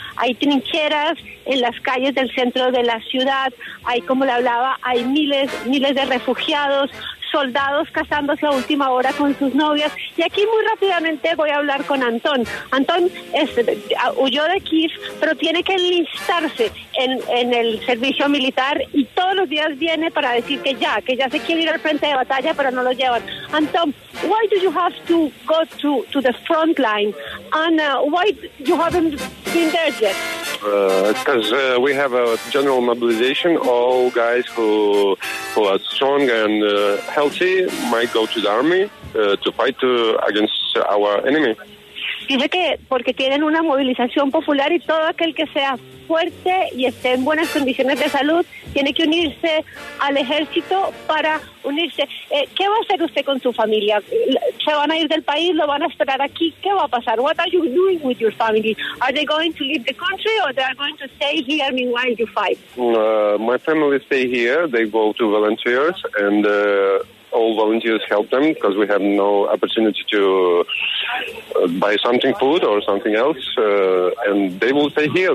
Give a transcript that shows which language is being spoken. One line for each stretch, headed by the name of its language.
Spanish: Hay trincheras en las calles del centro de la ciudad, hay, como le hablaba, hay miles de refugiados, soldados casándose a última hora con sus novias. Y aquí muy rápidamente voy a hablar con Antón. Antón huyó de Kiev, pero tiene que enlistarse en el servicio militar y todos los días viene para decir que ya se quiere ir al frente de batalla, pero no lo llevan.
English: Antón, why do you have to go to the front line? And why you haven't been there yet? Because we have a general mobilization. All guys who are strong and healthy might go to the army to fight against our enemy.
Spanish: Dice que porque tienen una movilización popular y todo aquel que sea fuerte y esté en buenas condiciones de salud tiene que unirse al ejército para unirse. ¿Qué va a hacer usted con su familia? ¿Se van a ir del país? ¿Lo van a esperar aquí? ¿Qué va a pasar?
English: What are you doing with your family? Are they going to leave the country or they are going to stay here meanwhile you fight? My family stay here. They go to volunteers and all volunteers help them because we have no opportunity to buy something food or something else and they will stay here.